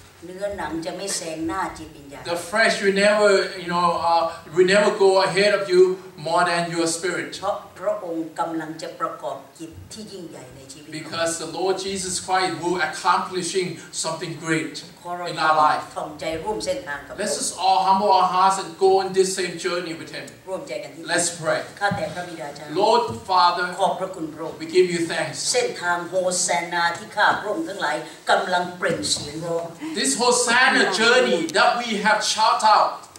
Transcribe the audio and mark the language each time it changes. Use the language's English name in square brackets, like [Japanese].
[Thai] เนื้อหนังจะไม่แซงหน้าจิตวิญญาณ [English] The flesh will never you know we never go ahead of you more than your spirit [Thai] เพราะพระองค์กำลังจะประกอบกิจที่ยิ่งใหญ่ในชีวิต [English] Because the Lord Jesus Christ will accomplishing something great in our life [Thai] ท่องใจร่วมเส้นทางกับ [English] Let's all humble our hearts and go on this same journey with him [Thai] ร่วมใจกันที่ [English] Let's pray [Thai] ข้าแต่พระบิดาเจ้า [English] Lord Father [Thai] ขอบพระคุณพระองค์ [English] We give you thanks [Thai] เส้นทางโฮแซนาที่ข้าพระองค์ทั้งหลายกำลังเปล่งเสียงร้อง [English] This Hosanna journey that we have chalked out.